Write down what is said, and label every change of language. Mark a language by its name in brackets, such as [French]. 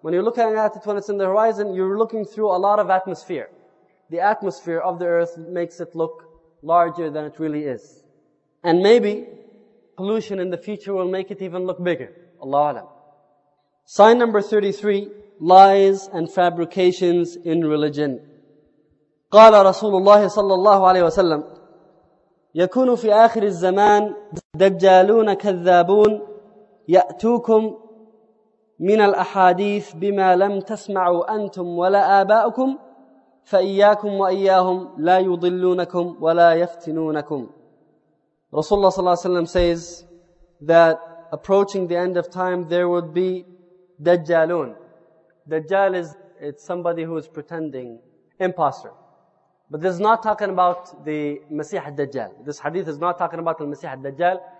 [English] When you're looking at it when it's in the horizon, you're looking through a lot of atmosphere. The atmosphere of the earth makes it look larger than it really is. And maybe pollution in the future will make it even look bigger. Allahu alam. Sign number 33, lies and fabrications in religion. [Arabic] قال رسول الله صلى الله عليه وسلم يكون في آخر الزمان دجالون كذابون يأتوكم من الأحاديث بما لم تسمعوا أنتم ولا آباؤكم فإياكم وإياهم لا يضلونكم ولا يفتنونكم. [English] Rasulullah [Arabic] صلى الله عليه وسلم [English] says that approaching the end of time there would be دجالون. Dajjal is, it's somebody who is pretending, imposter. But this is not talking about the Masih al-Dajjal. This hadith is not talking about the Masih al-Dajjal.